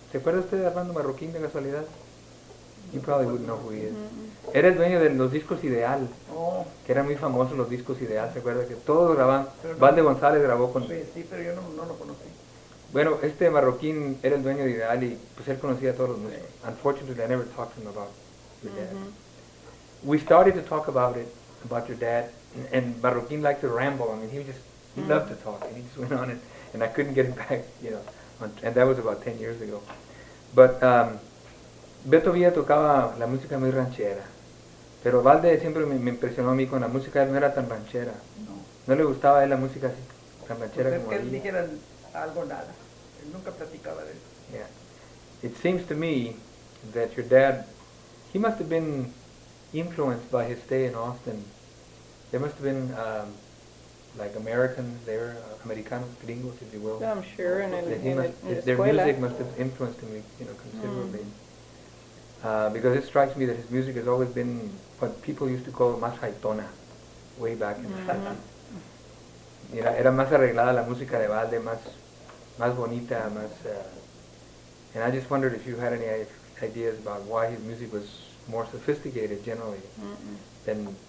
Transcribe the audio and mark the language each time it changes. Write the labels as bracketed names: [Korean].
[Spanish] ¿Se acuerda usted de Armando Marroquín de casualidad? [English] You probably would know who he is. [Spanish] Era el dueño de los discos Ideal. Oh. Que eran muy famosos los discos Ideal. ¿Se acuerda que todos grababan? Valde González grabó con... Sí, pero yo no lo conocí. Bueno, este Marroquín era el dueño de Ideal y pues él conocía a todos los músicos. [English] Unfortunately, I never talked to him about your dad. We started to talk about it, about your dad, and Marroquín liked to ramble. I mean, he loved to talk, and he just went on it, and I couldn't get him back, you know, and that was about 10 years ago. [Spanish] But Beto Villa tocaba la música muy ranchera, pero Valde siempre me impresionó a mí con la música, no era tan ranchera. No. No le gustaba a él la música así, tan ranchera como él dijera algo nada. Él nunca platicaba de eso. [English] Yeah. It seems to me that your dad, he must have been influenced by his stay in Austin. There must have been like Americans there, Americanos, gringos, if you will. I'm sure, their music must have influenced him, you know, considerably. Mm. Because it strikes me that his music has always been what people used to call [Spanish] más haitona, [English] way back in the 50s. [Spanish] Era más arreglada la música de Valde, más bonita, más... [English] and I just wondered if you had any ideas about why his music was more sophisticated, generally, than...